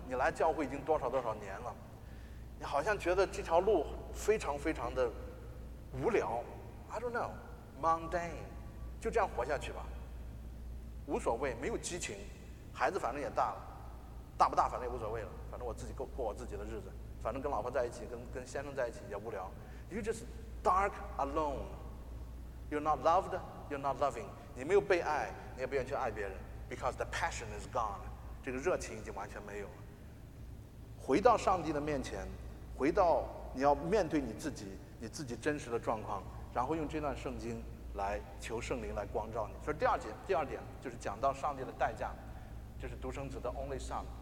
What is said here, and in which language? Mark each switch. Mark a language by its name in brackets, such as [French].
[Chinese] 你来教会已经多少多少年了，你好像觉得这条路非常非常的无聊 I don't know mundane, 就这样活下去吧，无所谓，没有激情，孩子反正也大了，大不大反正也无所谓了，反正我自己过我自己的日子，反正跟老婆在一起，跟先生在一起也无聊。 [English] You're just dark alone. You're not loved, you're not loving. [Chinese] 你没有被爱，你也不愿意去爱别人， because the passion is gone. 这个热情已经完全没有了。回到上帝的面前，回到你要面对你自己，你自己真实的状况，然后用这段圣经来求圣灵来光照你。所以第二点就是讲到上帝的代价，就是独生子的 only son,